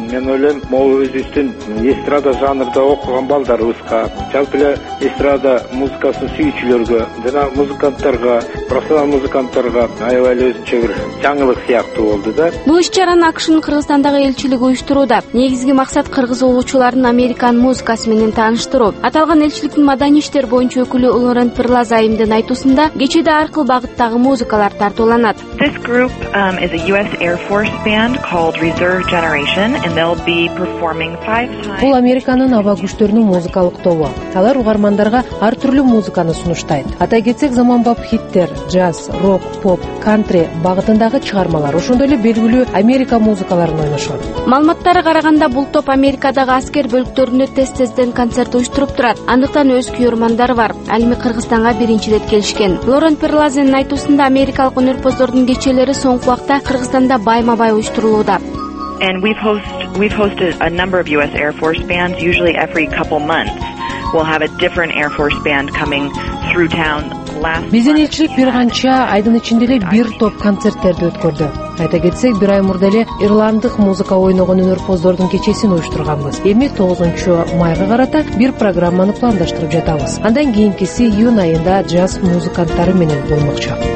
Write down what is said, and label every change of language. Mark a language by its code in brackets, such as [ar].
[ky] Мен ойлойм, могу өзүбүздүн эстрада жанрда окуган балдарыбызга, жалпы эле эстрада музыкасын сүйүүчүлөргө жана музыканттарга, профессионал музыканттарга аябай эле өзүнчө бир жаңылык сыяктуу болду да. Бул иш чараны АКШнын Кыргызстандагы элчилиги уюштурууда. Негизги максат кыргыз уулуучуларын американ музыкасы менен тааныштыруу. Аталган элчиликтин маданий иштер боюнча өкүлү Лорен Пырлазайымдын айтуусунда кечеде ар кыл багыттагы музыкалар тартууланат. [en] This group is a US Air Force band called Reserve Generation and they'll be performing 5 times. [ky] Бул Американын аба күчтөрүнүн музыкалык тобу. Алар угармандарга ар түрлүү музыканы сунуштайт. Атай кетсек, заманбап хиттер, джаз, рок, поп, кантри багытындагы чыгармалар, ошондой эле белгилүү Америка музыкаларын ойношот. Маалыматтарга караганда, бул топ Америкадагы аскер бөлүктөрүндө тез-тезден концерт уюштуруп турат. Андыктан өз күйөрмандары бар. Ал эми Кыргызстанга биринчи рет келиш. Лорен Перлазенин айтуусунда америкалык өнөрпоздордун кечелери соңку убакта Кыргызстанда байма-бай уюштурулууда. [en] And we've hosted a number of US Air Force bands usually every couple months. We'll have a different Air Force band coming through town. [ky] Биздин элчилик бир канча айдын ичинде эле бир топ концерттерди өткөрдү. Айта кетсек, бир ай мурда эле ирландык музыка ойногон өнөрпоздордун кечесин уюштурганбыз. Эми 9 майга карата бир программаны пландаштырып жатабыз. Андан кийинкиси июнь айында джаз музыканттары менен болмокчу.